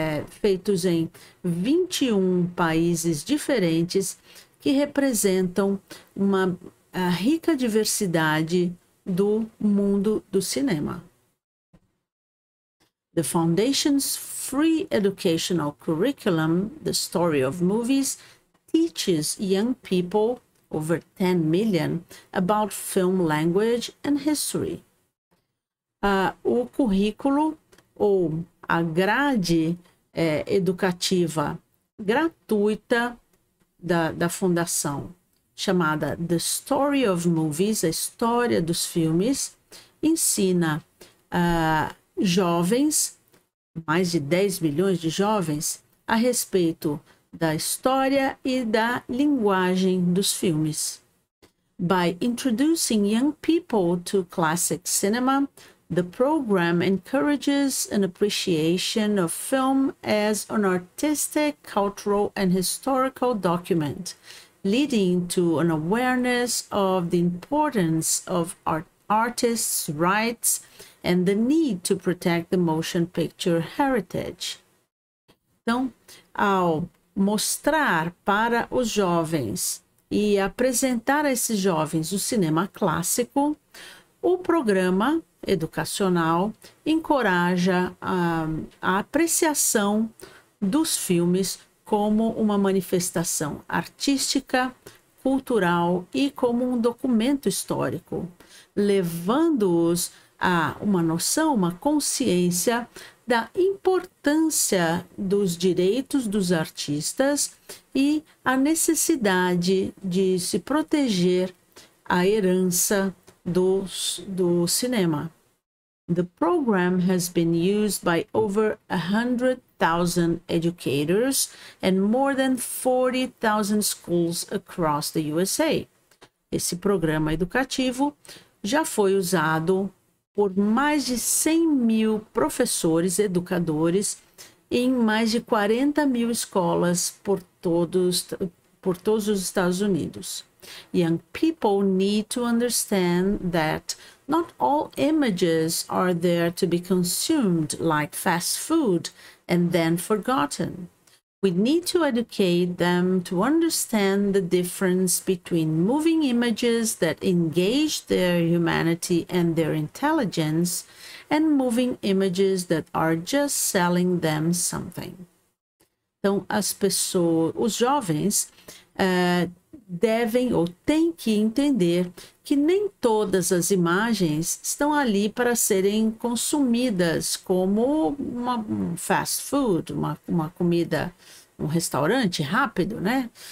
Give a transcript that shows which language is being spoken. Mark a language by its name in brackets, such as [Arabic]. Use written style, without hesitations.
[Portuguese] Feitos em 21 países diferentes, que representam uma rica diversidade do mundo do cinema. [English] The Foundation's free educational curriculum, The Story of Movies, teaches young people, over 10 million, about film language and history. [Portuguese] O currículo ou a grade educativa gratuita da fundação, chamada The Story of Movies, a história dos filmes, ensina jovens, mais de 10 milhões de jovens, a respeito da história e da linguagem dos filmes. [English] By introducing young people to classic cinema, the program encourages an appreciation of film as an artistic, cultural, and historical document, leading to an awareness of the importance of artists' rights and the need to protect the motion picture heritage. [Portuguese] Então, ao mostrar para os jovens e apresentar a esses jovens o cinema clássico, o programa educacional encoraja a apreciação dos filmes como uma manifestação artística, cultural e como um documento histórico, levando-os a uma noção, uma consciência da importância dos direitos dos artistas e a necessidade de se proteger a herança do cinema. [English] The program has been used by over 100,000 educators and more than 40,000 schools across the USA. [Portuguese] Esse programa educativo já foi usado por mais de 100 mil professores educadores em mais de 40 mil escolas por todos os Estados Unidos. [English] Young people need to understand that not all images are there to be consumed like fast food and then forgotten. We need to educate them to understand the difference between moving images that engage their humanity and their intelligence and moving images that are just selling them something. [Portuguese] Então, as pessoas, os jovens, devem ou têm que entender que nem todas as imagens estão ali para serem consumidas como uma fast food, uma comida, um restaurante rápido, né?